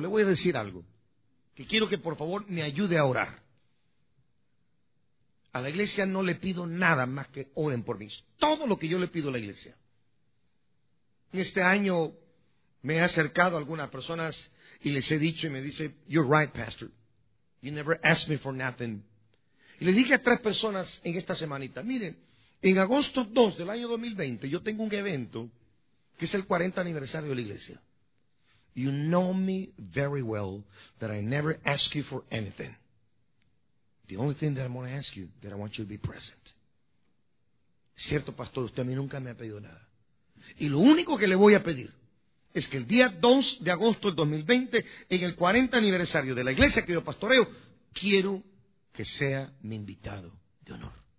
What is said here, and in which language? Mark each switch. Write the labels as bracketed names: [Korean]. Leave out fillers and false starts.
[Spanish] Le voy a decir algo que quiero que, por favor, me ayude a orar. A la iglesia no le pido nada más que oren por mí. Todo lo que yo le pido a la iglesia. En este año me he acercado a algunas personas y les he dicho y me dice, [English] you're right, pastor. You never ask me for nothing. [Spanish] Y le dije a tres personas en esta semanita, miren, en agosto 2 del año 2020, yo tengo un evento que es el 40 aniversario de la iglesia. [English] You know me very well that I never ask you for anything. The only thing that I'm going to ask you that I want you to be present. [Spanish] Cierto, pastor, usted a mí nunca me ha pedido nada. Y lo único que le voy a pedir es que el día 2 de agosto del 2020, en el 40 aniversario de la iglesia que yo pastoreo, quiero que sea mi invitado de honor.